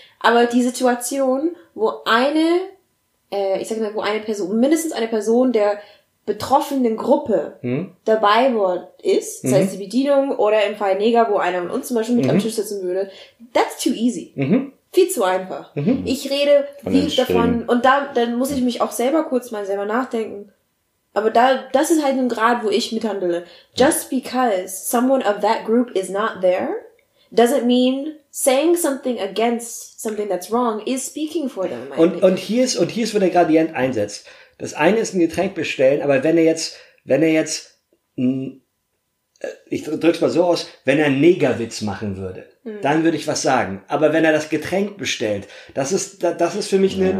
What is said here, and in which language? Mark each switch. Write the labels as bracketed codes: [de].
[de] Aber die Situation, wo eine Person, mindestens eine Person der betroffenen Gruppe dabei ist, das heißt die Bedienung oder im Fall Neger, wo einer von uns zum Beispiel mit am Tisch sitzen würde, [en] that's too easy. [de] Viel zu einfach. Ich rede viel davon und dann muss ich mich auch selber nachdenken. Aber das ist halt ein Grad, wo ich mithandle. [en] Just because someone of that group is not there, doesn't mean saying something against something that's wrong is speaking for them. [de] Und hier ist, wo der Gradient einsetzt. Das eine ist ein Getränk bestellen, aber wenn er jetzt ich drück's mal so aus, wenn er einen Negerwitz machen würde, dann würde ich was sagen. Aber wenn er das Getränk bestellt, das ist für mich eine...